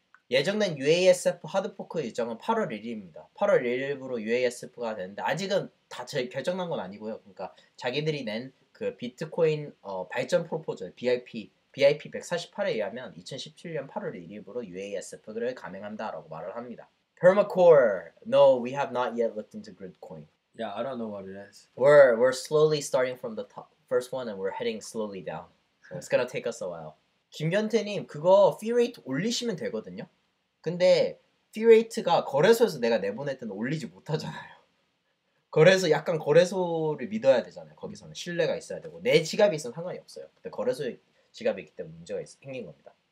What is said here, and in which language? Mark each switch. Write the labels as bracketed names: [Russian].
[Korean] 예정된 UASF 하드포크 일정은 8월 1일입니다. 8월 1일부로 UASF가 되는데 아직은 다 결정난 건 아니고요. 그러니까 자기들이 낸 그 비트코인 발전 프로포절 BIP 148에 의하면 2017년 8월 1일부로 UASF를 감행한다라고 말을 합니다. [English] Permacore, no, we have not yet looked into Gridcoin. Yeah, I don't know what it is. We're slowly starting from the top, first one, and we're heading slowly down. So it's gonna take us a while. [Korean] 김변태님, 그거 fee rate 올리시면 되거든요. 근데 fee rate가 거래소에서 내가 내보낼 때는 올리지 못하잖아요. 거래소 약간 거래소를 믿어야 되잖아요. 거기서는 신뢰가 있어야 되고 내 지갑이 있으면 상관이 없어요. 근데 거래소 지갑이 있기 때문에 문제가 생긴 겁니다.